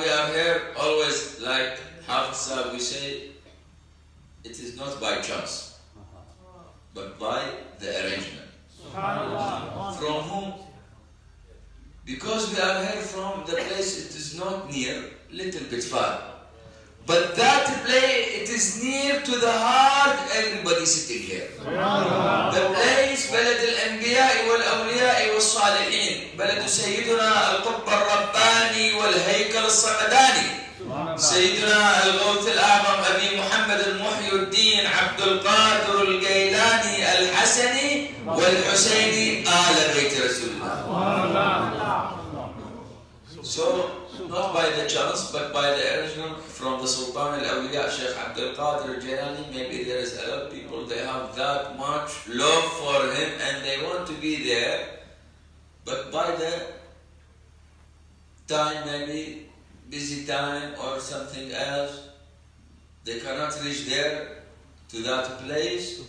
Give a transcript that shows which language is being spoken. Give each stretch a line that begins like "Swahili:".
English: We are here always like Hafsa, we say, it is not by chance, but by the arrangement. From whom? Because we are here from the place, it is not near, little bit far. But that place, it is near to the heart, everybody sitting here. The place,
Arabic: بلد الأنبياء والأولياء والصالحين. بلد سيدنا القطب الرباني والهيكل الصمداني. سيدنا الغوث الأعظم أبي محمد المحي الدين عبد القادر الجيلاني الحسني والحسيني آل بيت رسول الله.
English: So not by the chance but by the arrangement from the Sultan al-Awliya Sheikh عبد القادر الجيلاني maybe there is a lot of people they have that much love for him and they want to be there but by the time maybe busy time or something else, they cannot reach there to that place.